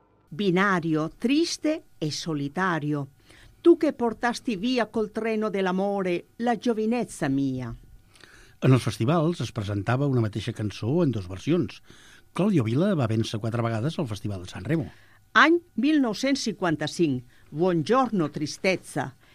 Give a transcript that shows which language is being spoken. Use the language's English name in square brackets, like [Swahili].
[Italian] Binario, triste e solitario, tu che portasti via col treno dell'amore la giovinezza mia. [Catalan] En els festivals es presentava una mateixa cançó en dues versions. Claudio Vila va vèncer 4 vegades al Festival de San Remo. Any 1955, Buongiorno Tristezza.